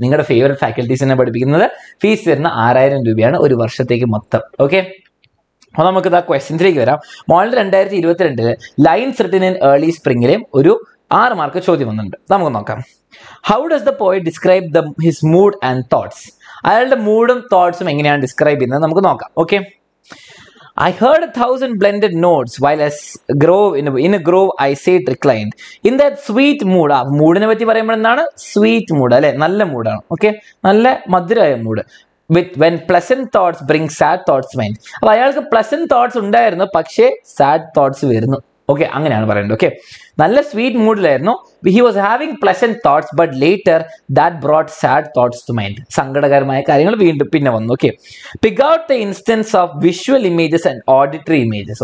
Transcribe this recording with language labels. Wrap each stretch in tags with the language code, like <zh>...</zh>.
<ml>നിങ്ങളുടെ ഫേവറേറ്റ് ഫാക്കൽറ്റീസിനെ പഠിപ്പിക്കുന്നത് ഫീസ് വരുന്ന 6000 രൂപയാണ് ഒരു വർഷത്തേക്ക് മൊത്തം. ഓക്കെ, അപ്പോൾ നമുക്ക് ഇതാ ക്വസ്റ്റ്യൻസിലേക്ക് വരാം. Model 2022 lines written in early സ്പ്രിംഗിലെയും ഒരു 6 മാർക്ക് ചോദ്യം വന്നിട്ടുണ്ട്. നമുക്ക് നോക്കാം.</ml> <en>how does the poet describe the his mood and thoughts,</en> <ml>അയാളുടെ മൂഡും തോട്ട്സും എങ്ങനെയാണ് ഡിസ്ക്രൈബ് ചെയ്യുന്നത് നമുക്ക് നോക്കാം.</ml> <en>Okay, I heard 1000 blended notes while as grove in a grove I sat reclined in that sweet mood.</en> <ml>ആ മൂഡിനെ പറ്റി പറയുമ്പോൾ എന്താണ് സ്വീറ്റ് മൂഡ് അല്ലെ, നല്ല മൂഡാണ്. ഓക്കെ, നല്ല മധുരമായ mood.</ml> <en>With when pleasant thoughts bring sad thoughts mind.</en> <ml>അപ്പൊ അയാൾക്ക്</ml> <en>pleasant thoughts</en> <ml>ഉണ്ടായിരുന്നു, പക്ഷേ</ml> <en>sad thoughts</en> <ml>വരുന്നു. ഓക്കെ, അങ്ങനെയാണ് പറയുന്നത്. ഓക്കെ, നല്ല sweet മൂഡിലായിരുന്നു.</ml> <en>he was having pleasant thoughts but later that brought sad thoughts to mind,</en> <ml>സങ്കടകരമായ കാര്യങ്ങൾ വീണ്ടും പിന്നെ വന്നു.</ml> <en>Okay, pick out the instance of visual images and auditory images.</en>